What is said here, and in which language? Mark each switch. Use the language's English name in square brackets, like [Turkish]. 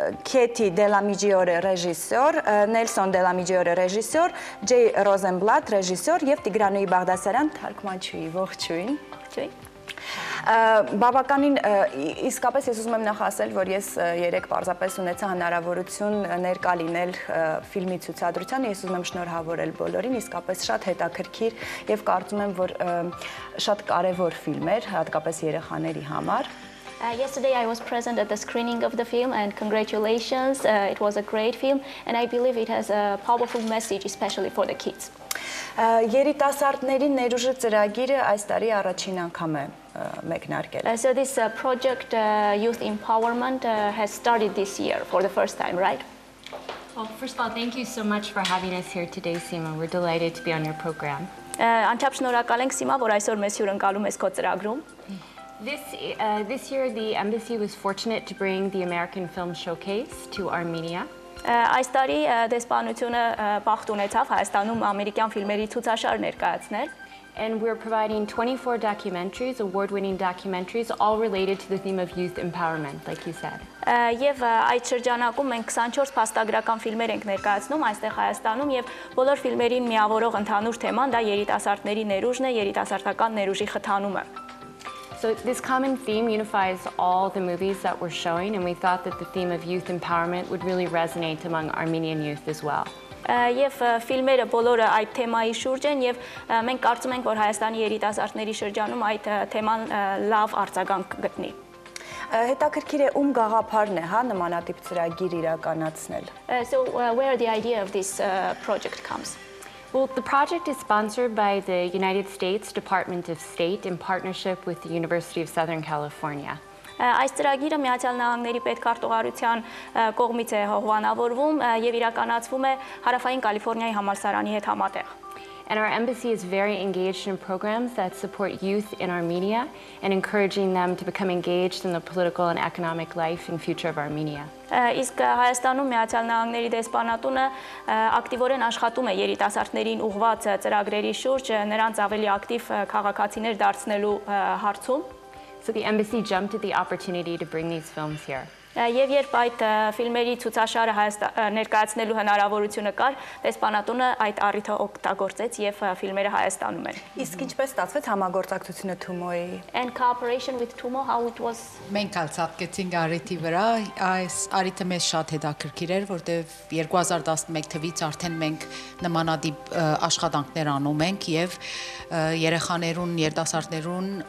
[Armenian] Քեթի Դելամիջիորը ռեժիսոր, Նելսոն Դելամիջիորը ռեժիսոր, Ջեյ Ռոզենբլատ ռեժիսոր եւ Տիգրանուի Բաղդասարյան թարգմանչուհի, ողջույն։ Բավականին իսկապես ես ուզում եմ նախասել, որ ես երեք պարզապես ունեցա հնարավորություն ներկա լինել ֆիլմի ցուցադրության, ես ուզում եմ շնորհավորել բոլորին, իսկապես շատ հետաքրքիր եւ կարծում եմ, որ շատ կարեւոր ֆիլմ էր հատկապես երեխաների համար։ [English] Yesterday I was present at the screening of the film and congratulations, it was a great film and I believe it has a powerful message especially for the kids. [Armenian] Երիտասարդների ներուժը ծրագիրը այս տարի առաջին անգամ է մեկնարկել։ [English] So this project youth empowerment has started this year for the first time, right? Well, first of all, thank you so much for having us here today, Sima. We're delighted to be on your program. [Armenian] Անչափ շնորհակալ ենք, Սիմա, որ այսօր մեզ հյուրընկալում ես քո ծրագրում։ [English] This year the embassy was fortunate to bring the American film showcase to Armenia. [Armenian] Այս տարի դեսպանությունը բախտ ունեցավ Հայաստանում ամերիկյան ֆիլմերի ցուցաշար ներկայացնել. [English] And we're providing 24 documentaries, award-winning documentaries, all related to the theme of youth empowerment, like you said. [Armenian] Եվ այդ շրջանակում մենք 24 փաստագրական ֆիլմեր ենք ներկայացնում այստեղ Հայաստանում, եւ բոլոր ֆիլմերին միավորող ընդհանուր թեման դա երիտասարդների ներուժն է, երիտասարդական ներուժի խթանումը։ [English] So this common theme unifies all the movies that we're showing, and we thought that the theme of youth empowerment would really resonate among Armenian youth as well. [Armenian] Եվ ֆիլմերը բոլորը այդ թեմայի շուրջ են, եւ մենք կարծում ենք, որ Հայաստանի երիտասարդների շրջանում այդ թեման լավ արձագանք գտնի։ Հետաքրքիր է, ում գաղափարն է, հա, նմանատիպ ծրագիր իրականացնել։ [English] So where the idea of this project comes? Well, the project is sponsored by the United States Department of State in partnership with the University of Southern California. [Armenian] Այս ծրագիրը Միացյալ Նահանգների Պետկարտուղարության կողմից է հովանավորվում եւ իրականացվում է Հարավային Կալիֆոռնիայի համալսարանի հետ համատեղ։ [English] And our embassy is very engaged in programs that support youth in Armenia and encouraging them to become engaged in the political and economic life and future of Armenia. [Armenian] Իսկ Հայաստանում Միացյալ Նահանգների դեսպանատունը ակտիվորեն աշխատում է երիտասարդներին ուղղված ծրագրերի շուրջ նրանց ավելի ակտիվ քաղաքացիներ դարձնելու հարցում։ [English] So the embassy jumped at the opportunity to bring these films here. [Armenian] Եվ երբ այդ ֆիլմերի ցուցաշարը ներկայացնելու հնարավորությունը կար, դեսպանատունը այդ առիթը օգտագործեց եւ ֆիլմերը Հայաստանում են։ Իսկ ինչպես ստացվեց համագործակցությունը Թումոյի։ [English] And cooperation with Թումո, how it was? [Armenian] Մենք ալցածեցինք առիթի վրա, այս առիթը մեզ շատ հետաքրքիր էր, որտեղ 2011 թվականից արդեն մենք նմանատիպ աշխատանքներ անում ենք եւ երեխաներուն, երիտասարդներուն